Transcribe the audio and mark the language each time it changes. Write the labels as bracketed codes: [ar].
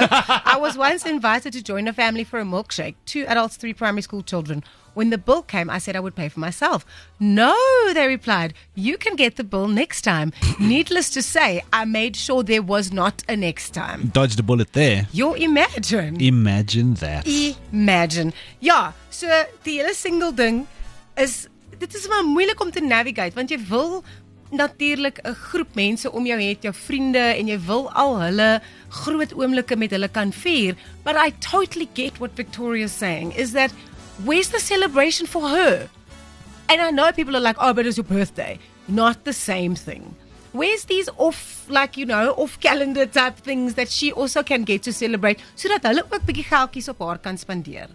[en] I was once invited to join a family for a milkshake. 2 adults, 3 primary school children. When the bill came, I said I would pay for myself. No, they replied, you can get the bill next time. Needless to say, I made sure there was not a next time. Dodged a bullet there. Imagine that. Yeah, so the [af] hele single thing is, dit is maar moeilik om te navigate, want jy wil natuurlik 'n groep mense om jou het, jou vriende, en jy wil al hulle groot oomblikke met hulle kan vier. [en] But I totally get what Victoria is saying, is that where's the celebration for her? And I know people are like, oh, but it's your birthday. Not the same thing. Where's these off, like, you know, off-calendar type things that she also can get to celebrate so that [af] hulle ook bietjie geldjies op haar kan spandeer?